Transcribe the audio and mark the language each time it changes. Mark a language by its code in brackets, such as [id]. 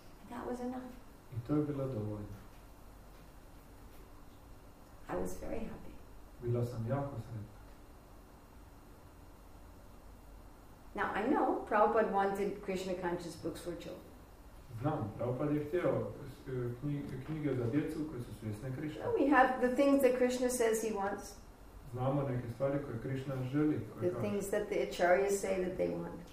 [en] And that was enough. [hr] I to je bilo dovoljno. [en] I was very happy. [hr] Bila sam jako sretna. [en] Now I know Prabhupada wanted Krishna conscious books for children. [hr] Znam, Prabhupada je htio knjige za djecu koje su svjesne Krishna. [en] We have the things that Krishna says he wants. [hr] Znamo neke stvari koje Krishna želi. Koje [en] the things that the acharyas say that they want.